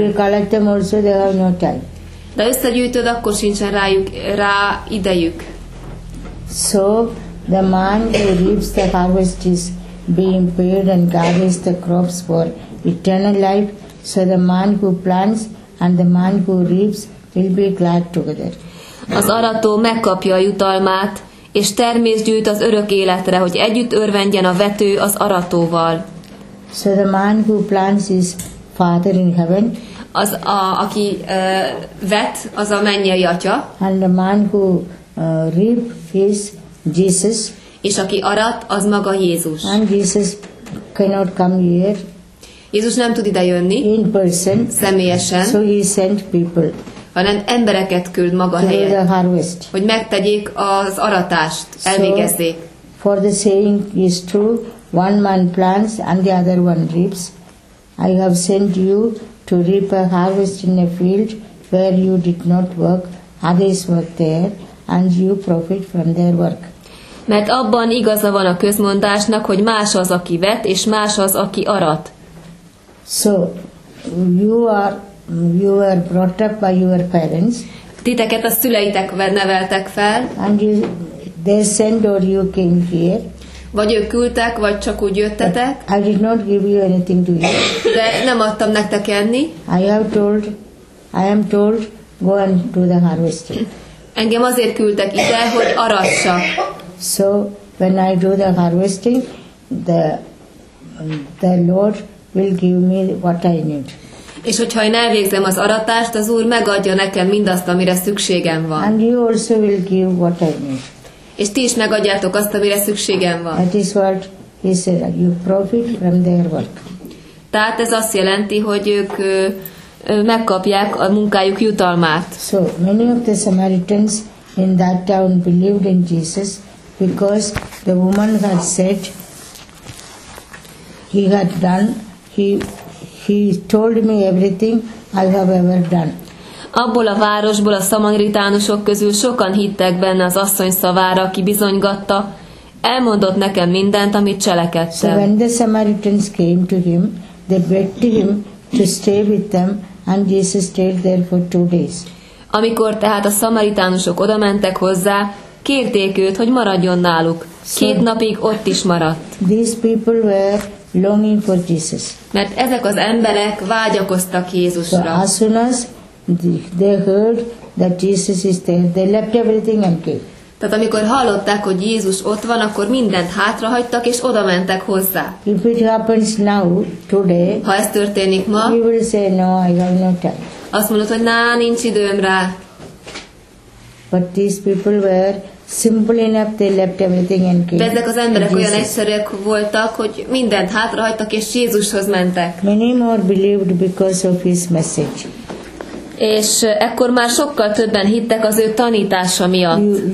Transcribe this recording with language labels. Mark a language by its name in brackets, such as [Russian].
[English] If you collect them also, they have no time. [Hungarian] De összegyűjtöd, akkor sincsen rá idejük. [English] So, the man who reaps the harvest is being paid and gathers the crops for eternal life. So the man who plants and the man who reaps will be glad together. [Hungarian] Az arató megkapja a jutalmát, és termést gyűjt az örök életre, hogy együtt örvendjen a vető az aratóval. [English] So the man who plants is Father in heaven. [Hungarian] Az a, aki vet, az a mennyei atya. [English] And the man who reap is Jesus. [Hungarian] És aki arat, az maga Jézus. [English] And Jesus cannot come here. [Hungarian] Jézus nem tud ide jönni. [English] In person. [Hungarian] Személyesen. [English] So he sent people. [Hungarian] Hanem embereket küld maga helyett, hogy megtegyék az aratást, elvégezzék. [English] So, for the saying is true, one man plants and the other one reaps. I have sent you to reap a harvest in a field where you did not work, others work there, and you profit from their work. [Hungarian] Mert abban igaza van a közmondásnak, hogy más az, aki vet, és más az, aki arat. [English] So, you were brought up by your parents. [Hungarian] Titeket a szüleitek neveltek fel. [English] And you, they sent or you came here. [Hungarian] Vagy ők küldtek, vagy csak úgy jöttetek. [English] But I did not give you anything to eat. [Hungarian] De nem adtam nektek enni. [English] I am told, go and do the harvesting. [Hungarian] Engem azért küldtek ide, hogy aratsak. [English] So, when I do the harvesting, the Lord will give me what I need. [Hungarian] És hogyha én elvégzem az aratást, az Úr megadja nekem mindazt, amire szükségem van. [English] And you also will give what I need. [Hungarian] És ti is megadjátok azt, amire szükségem van. [English] That is what he said, you profit from their work. [Hungarian] Tehát ez azt jelenti, hogy ők megkapják a munkájuk jutalmát. [English] So many of the Samaritans in that town believed in Jesus because the woman had said he had done, he told me everything I have ever done. [Hungarian] Abból a városból a szamaritánusok közül sokan hittek benne az asszony szavára, aki bizonygatta, elmondott nekem mindent, amit cselekedtem. [English] So when the Samaritans came to him, they begged him to stay with them, and Jesus stayed there for 2 days. [Hungarian] Amikor tehát a szamaritánusok odamentek hozzá, kérték őt, hogy maradjon náluk. Két napig ott is maradt. [English] These people were longing for Jesus. [Hungarian] Mert ezek az emberek vágyakoztak Jézusra. [English] So as soon as they heard that Jesus is there, they left everything and came. [Hungarian] Tehát amikor hallották, hogy Jézus ott van, akkor mindent hátrahagytak és odamentek hozzá. [English] If it happens now, today, [Hungarian] ha ez történik ma, [English] you will say, no, I have no time. [Hungarian] Azt mondod, hogy nincs időm rá. [English] But these people were simple enough, they left everything and came. [Hungarian] De ezek az emberek olyan egyszerűek voltak, hogy mindent hátrahagytak és Jézushoz mentek. [English] Many more believed because of his message. [Hungarian] És ekkor már sokkal többen hittek az ő tanítása miatt.